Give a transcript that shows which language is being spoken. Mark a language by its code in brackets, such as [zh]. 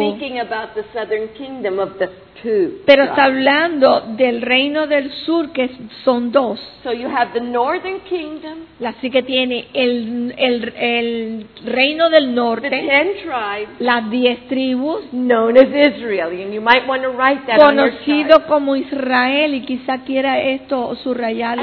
[en] It's speaking about the southern kingdom of the two. [es] Pero está hablando del reino del sur que son dos. [en] So you have the northern kingdom. [es] Así que tiene el reino del norte. [en] The ten tribes. [es] Las 10 tribus. [en] Known as Israel, and you might want to write that. [es] Conocido como Israel y quizá quiera esto subrayarlo.